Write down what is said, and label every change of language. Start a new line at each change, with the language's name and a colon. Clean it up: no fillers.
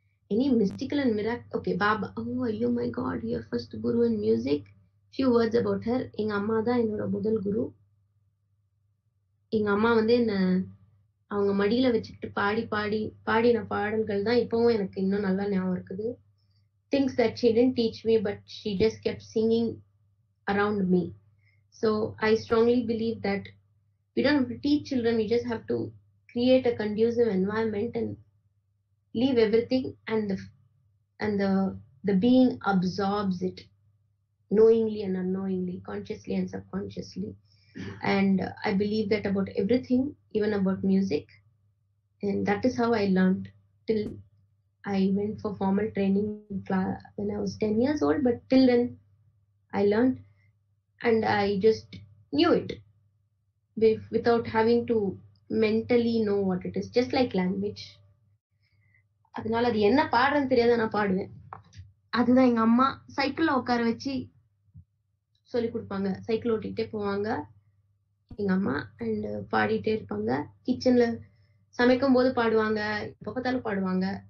English: Any mystical and miracle? Okay, Baba. Oh, my God, your first guru in music. Few words about her.
Tamil: Eng amma da enoda mudhal guru. எங்கள் அம்மா வந்து என்னை அவங்க மடியில் வச்சுக்கிட்டு பாடி பாடி பாடின பாடல்கள் தான் இப்போவும் எனக்கு இன்னும் நல்லா ஞாபகம் இருக்குது.
English: Things that she didn't teach me but she just kept singing around me. So I strongly believe that we don't have to teach children, we just have to create a conducive environment and leave everything and the being absorbs it knowingly and unknowingly, consciously and subconsciously. And I believe that about everything, even about music. And that is how I learned till I went for formal training when I was 10 years old. But till then, I learned and I just knew it without having to mentally know what it is. Just like language.
Tamil: அதனால அது என்ன பாடுறேன் தெரியாது, நான் பாடுவேன். அதுதான் எங்கள் அம்மா சைக்கிளில் உட்கார வச்சு சொல்லி கொடுப்பாங்க, சைக்கிள் ஓட்டிகிட்டே போவாங்க எங்கள் அம்மா. அண்டு பாடிட்டே இருப்பாங்க, கிச்சனில் சமைக்கும் போது பாடுவாங்க, எப்போ பார்த்தாலும் பாடுவாங்க.